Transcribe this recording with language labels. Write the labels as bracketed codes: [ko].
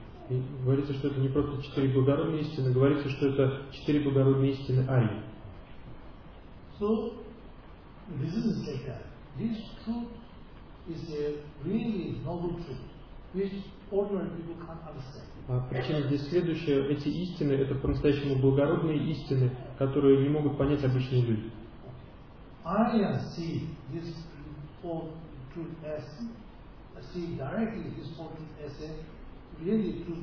[ru] И говорится, что это не просто четыре благородные истины, говорится, что это четыре благородные истины Арии. [en] So, this is like that. This truth is a really noble truth, which ordinary people can't understand. [ru] А причина здесь следующая. Эти истины – это по-настоящему благородные истины, которые не могут понять обычные люди. [en] Ария see this all truth as, see directly this all truth as a